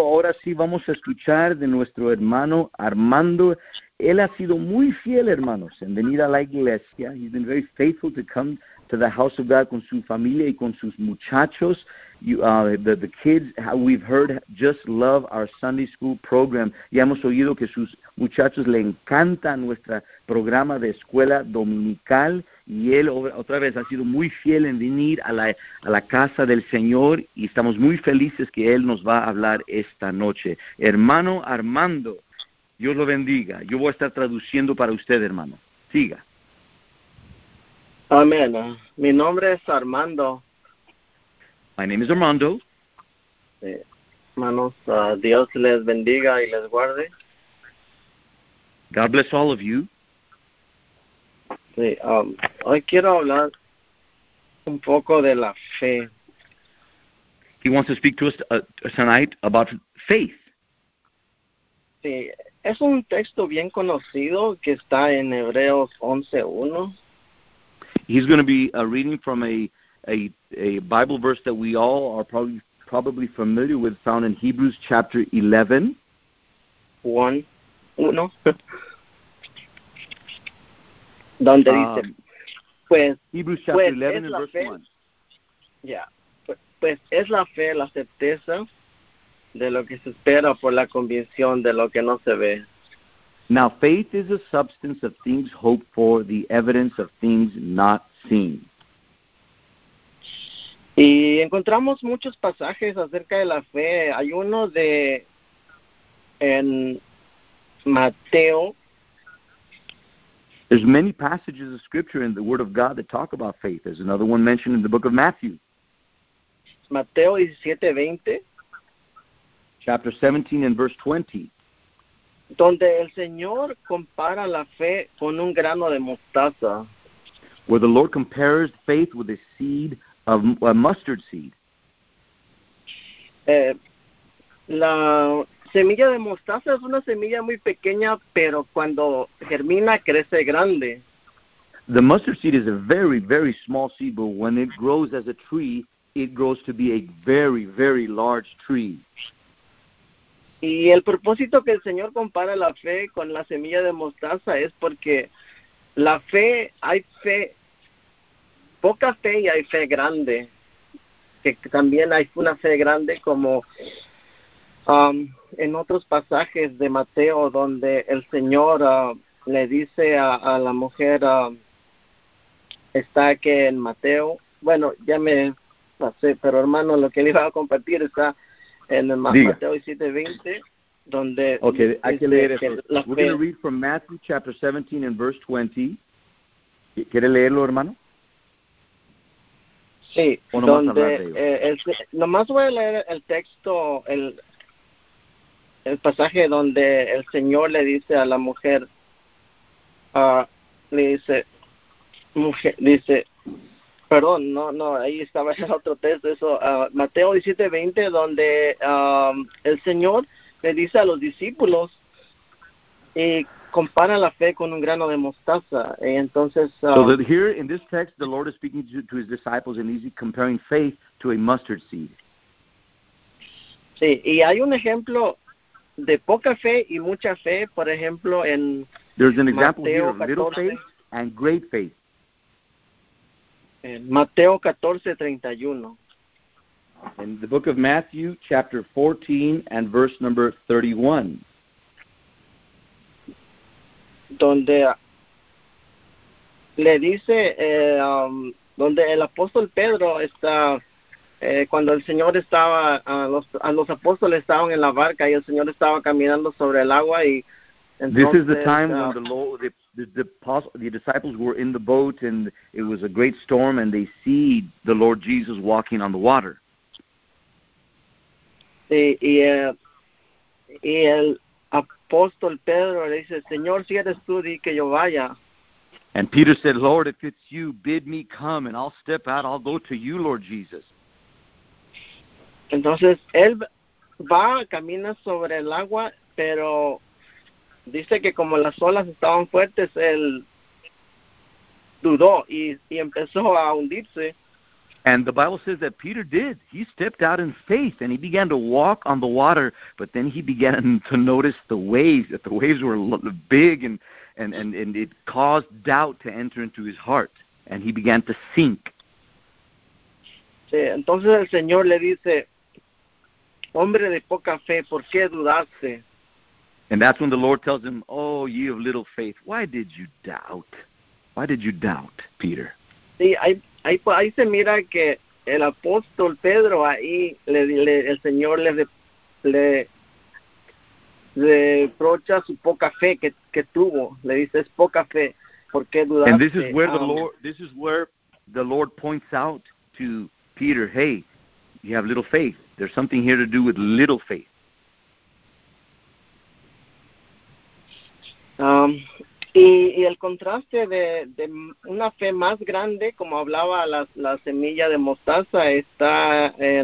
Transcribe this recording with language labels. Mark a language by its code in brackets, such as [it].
[es] Ahora sí vamos a escuchar de nuestro hermano Armando. Él ha sido muy fiel, hermanos, en venir a la iglesia. [en] He's been very faithful to come to the house of God [es] con su familia y con sus muchachos. [en] The kids, we've heard, just love our Sunday school program. [es] Ya hemos oído que sus muchachos le encanta nuestro programa de escuela dominical. Y él otra vez ha sido muy fiel en venir a la casa del Señor y estamos muy felices que él nos va a hablar esta noche. Hermano Armando, Dios lo bendiga. Yo voy a estar traduciendo para usted, hermano. Siga. Amén. Mi nombre es Armando. [en] My name is Armando. [es] Hermanos, Dios les bendiga y les guarde. [en] God bless all of you. [es] Sí, hoy quiero hablar un poco de la fe. [en] He wants to speak to us tonight about faith. [es] Sí, es un texto bien conocido que está en Hebreos 11:1. [en] He's going to be reading from a Bible verse that we all are probably familiar with, found in Hebrews chapter 11. [es] 1:1. Donde dice, pues, [en] Hebrews chapter 11 and verse 1. [es] Pues es la fe, la certeza de lo que se espera por la convicción de lo que no se ve. [en] Now, faith is a substance of things hoped for, the evidence of things not seen. [es] Y encontramos muchos pasajes acerca de la fe. Hay uno de, en Mateo. [en] There's many passages of scripture in the Word of God that talk about faith. There's another one mentioned in the book of Matthew. [es] Mateo 17:20. [en] Chapter 17 and verse 20. [es] Donde el Señor compara la fe con un grano de mostaza. [en] Where the Lord compares faith with a seed of a mustard seed. [es] La semilla de mostaza es una semilla muy pequeña, pero cuando germina crece grande. [en] The mustard seed is a very, very small seed, but when it grows as a tree, it grows to be a very, very large tree. [es] Y el propósito que el Señor compara la fe con la semilla de mostaza es porque la fe, hay fe, poca fe y hay fe grande. Que también hay una fe grande como en otros pasajes de Mateo donde el Señor le dice a la mujer, está que en Mateo, bueno, ya me pasé, pero hermano, lo que le iba a compartir está en Mateo 7:20, donde okay, dice [en] I can [es] leer eso. [en] We're going to read from Matthew chapter 17 and verse 20. [es] ¿Quiere leerlo, hermano? Sí, donde nomás voy a leer el texto, el pasaje donde el Señor le dice a la mujer, le dice, mujer, dice, perdón, no, ahí estaba el otro texto, eso, Mateo 17:20, donde el Señor le dice a los discípulos y compara la fe con un grano de mostaza. Y entonces, [en] so that here in this text, the Lord is speaking to his disciples and he's comparing faith to a mustard seed. [es] Sí, y hay un ejemplo de poca fe y mucha fe, por ejemplo, en [en] there's an example [es] Mateo [en] here of little [es] 14, [en] faith and great faith. [es] En Mateo 14:31. [en] In the book of Matthew, chapter 14 and verse number 31. [es] Donde le dice, donde el apóstol Pedro está, cuando el Señor estaba, los apóstoles estaban en la barca y el Señor estaba caminando sobre el agua y entonces, [en] this is the time when the disciples were in the boat and it was a great storm and they see the Lord Jesus walking on the water. [es] Y el apóstol Pedro le dice, Señor, si eres tú, di que yo vaya. [en] And Peter said, Lord, if it's you, bid me come, and I'll step out, I'll go to you, Lord Jesus. [es] Entonces, él va, camina sobre el agua, pero dice que como las olas estaban fuertes, él dudó y empezó a hundirse. [en] And the Bible says that Peter did. He stepped out in faith, and he began to walk on the water, but then he began to notice the waves, that the waves were big, and it caused doubt to enter into his heart, and he began to sink. [es] Sí, entonces el Señor le dice, hombre de poca fe, ¿por qué dudaste? [en] And that's when the Lord tells him, oh, ye of little faith, why did you doubt? Why did you doubt, Peter? [es] Sí, ahí se mira que el apóstol Pedro, ahí el Señor le reprocha su poca fe que tuvo. Le dice, es poca fe, ¿por qué dudaste? [en] And this is where the Lord points out to Peter, hey, you have little faith. There's something here to do with little faith. [es] Y el contraste de una fe más grande, como hablaba la semilla de mostaza, está